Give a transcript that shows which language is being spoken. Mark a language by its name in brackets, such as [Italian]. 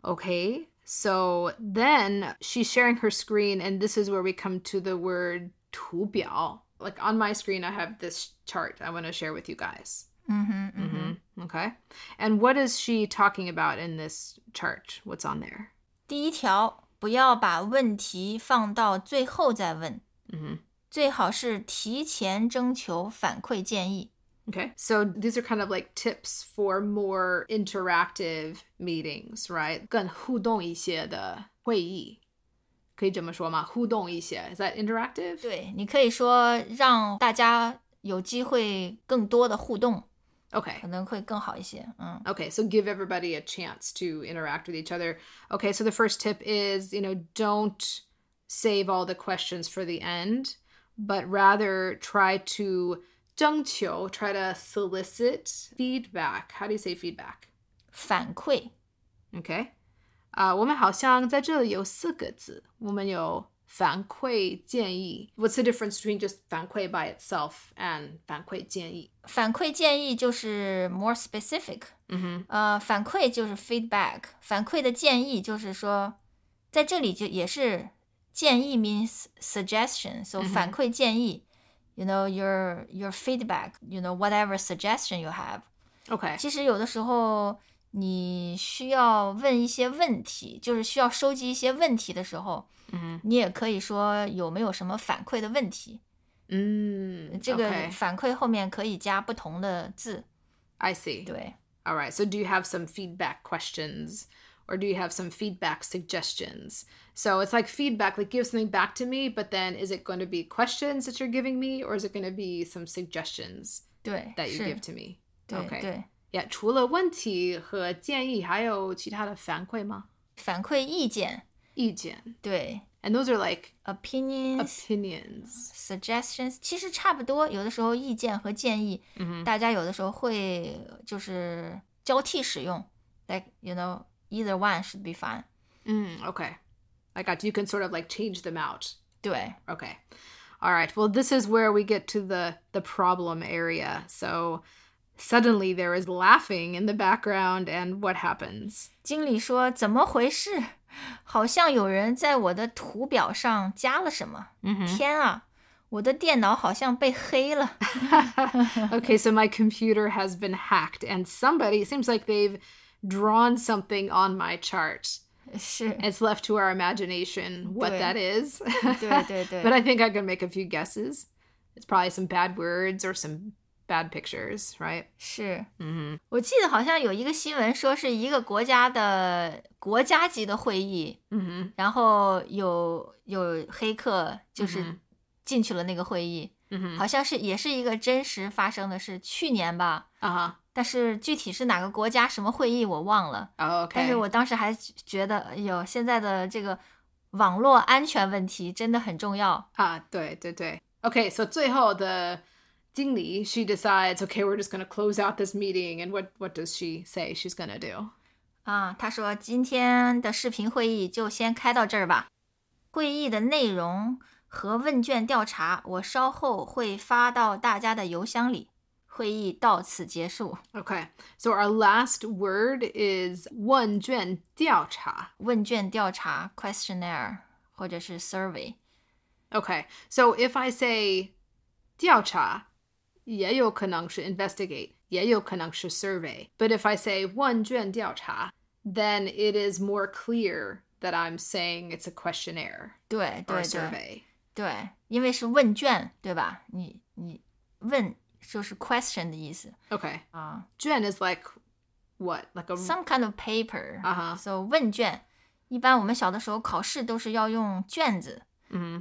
[English] OK, so then she's sharing her screen and this is where we come to the word 图表Like on my screen, I have this chart I want to share with you guys. Mm-hmm, mm-hmm. Mm-hmm. Okay. And what is she talking about in this chart? What's on there? [Chinese] 第一条，不要把问题放到最后再问。 Mm-hmm. 最好是提前征求反馈建议。 [English] Okay. So these are kind of like tips for more interactive meetings, right? [Chinese] 更互动一些的会议。可以这么说吗？互动一些 [English] ，is that interactive？ [Chinese] 对，你可以说让大家有机会更多的互动 [English] ，OK， [Chinese] 可能会更好一些。嗯 [English] ，OK， so give everybody a chance to interact with each other. OK， so the first tip is, you know, don't save all the questions for the end, but rather try to 征求 try to solicit feedback. How do you say feedback？ [Chinese] 反馈 [English] ，OK。 [Chinese] 我们好像在这里有四个字，我们有反馈建议。 [English] What's the difference between just 反馈 by itself and 反馈建议？ [Chinese] 反馈建议就是 [English] more specific。 Mm-hmm. [Chinese] 反馈就是 feedback。反馈的建议就是说，在这里就也是建议 [English] means suggestion。 So 反馈建议、mm-hmm. ，you know your feedback， you know whatever suggestion you have。 Okay。 [Chinese] 其实有的时候。你需要问一些问题，就是需要收集一些问题的时候， mm-hmm. 你也可以说有没有什么反馈的问题。 Mm-hmm. 这个反馈后面可以加不同的字。 [English] I see. [Chinese] 对。 [English] All right. So do you have some feedback questions or do you have some feedback suggestions? So it's like feedback, like give something back to me, but then is it going to be questions that you're giving me or is it going to be some suggestions [Chinese] 对 [English] that you give to me? [Chinese] 对 [English] okay. [Chinese] 对 Yeah, 除了问题和建议还有其他的反馈吗反馈意见意见对 [English] And those are like Opinions Suggestions [Chinese] 其实差不多有的时候意见和建议、 mm-hmm. 大家有的时候会就是交替使用 [English] Like, you know, either one should be fine、 Okay I got you can sort of like change them out [Chinese] 对 [English] Okay Alright, well this is where we get to the problem area SoSuddenly, there is laughing in the background, and what happens? [Chinese] 经理说，怎么回事？好像有人在我的图表上加了什么。 Mm-hmm. 天啊，我的电脑好像被黑了。 [English] Okay, so my computer has been hacked, and somebody, it seems like they've drawn something on my chart. [Chinese] 是 [English] It's left to our imagination what that is. [Chinese] 对对对 [English] But I think I can make a few guesses. It's probably some bad words or some bad pictures, right? [Chinese] 是、 mm-hmm. 我记得好像有一个新闻说是一个国家的国家级的会议、 mm-hmm. 然后 有黑客就是进去了那个会议、 mm-hmm. 好像是也是一个真实发生的是去年吧啊、uh-huh. 但是具体是哪个国家什么会议我忘了、 [English] oh, okay. [Chinese] 但是我当时还觉得有现在的这个网络安全问题真的很重要啊、对对对 [English] OK so [Chinese] 最后的经理 [English] she decides OK we're just gonna close out this meeting and what does she say she's gonna do [Chinese] 啊，她说今天的视频会议就先开到这儿吧会议的内容和问卷调查我稍后会发到大家的邮箱里会议到此结束。 [English] Okay, so our last word is 问卷调查。 [Chinese] 问卷调查 questionnaire 或者是 survey. [English] Okay, so if I say 调查， [Chinese] 也有可能是 [English] investigate， 也有可能是 survey. But if I say 问卷调查， then it is more clear that I'm saying it's a questionnaire [Chinese] 对 [English] or a survey. [Chinese] 对, 对, 对，因为是问卷，对吧？你问。就是 question 的意思 [English] Okay 卷 is like what? Like a... Some kind of paper、 uh-huh. [Chinese] So 问卷一般我们小的时候考试都是要用卷子、 mm-hmm.